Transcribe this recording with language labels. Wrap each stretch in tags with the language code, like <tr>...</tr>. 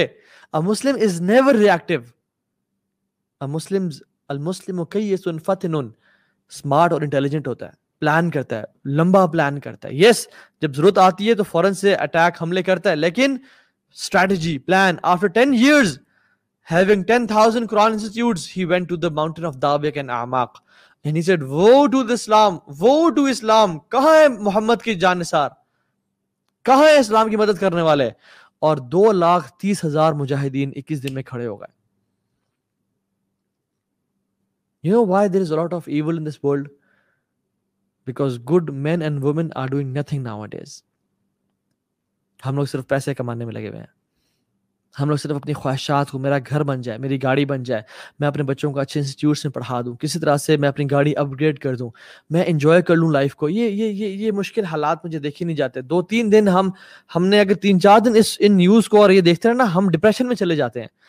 <en>A Muslim is never reactive.</en> <ar>المسلم کئی سن فتنن,</ar> <ur>smart اور انٹیلیجنٹ ہوتا ہے, پلان کرتا ہے, لمبا پلان کرتا ہے. یس, جب ضرورت آتی ہے تو فوراً سے اٹیک حملے کرتا ہے, لیکن strategy plan.</ur> <en>After 10 years having 10,000 قرآن institutes, he went to the mountain of داوک and اعماق. And he said, woe to the Islam, woe to Islam.</en> <ur>کہاں ہے محمد کی جان نثار, کہاں ہے اسلام کی مدد کرنے والے؟ اور 230,000 مجاہدین 21 days میں کھڑے ہو گئے.</ur> <en>You know why there is a lot of evil in this world? Because good men and women are doing nothing nowadays.</en> <ur>ہم لوگ صرف پیسے کمانے میں لگے ہوئے ہیں. ہم لوگ صرف اپنی خواہشات کو, میرا گھر بن جائے, میری گاڑی بن جائے, میں اپنے بچوں کو اچھے انسٹیٹیوٹس میں پڑھا دوں, کسی طرح سے میں اپنی گاڑی اپ گریڈ کر دوں, میں انجوائے کر لوں لائف کو. یہ مشکل حالات مجھے دیکھے نہیں جاتے. 2-3 days ہم نے اگر 3-4 days ان نیوز کو اور یہ دیکھتے رہے نا, ہم ڈپریشن میں چلے جاتے ہیں.</ur>